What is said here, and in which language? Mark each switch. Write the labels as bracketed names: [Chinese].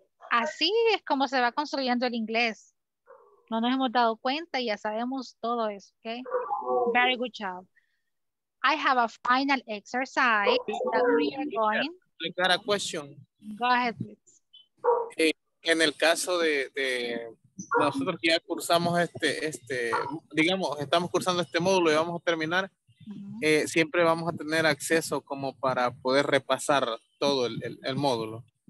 [Spanish] Así es como se va construyendo el inglés. No nos hemos dado cuenta y ya sabemos todo eso, ¿ok? [English] Very good job. I have a final exercise that we are going. I got a question. Go ahead, please. [Spanish] En el caso de nosotros que ya cursamos estamos cursando este módulo y vamos a terminar, siempre vamos a tener acceso como para poder repasar todo el módulo.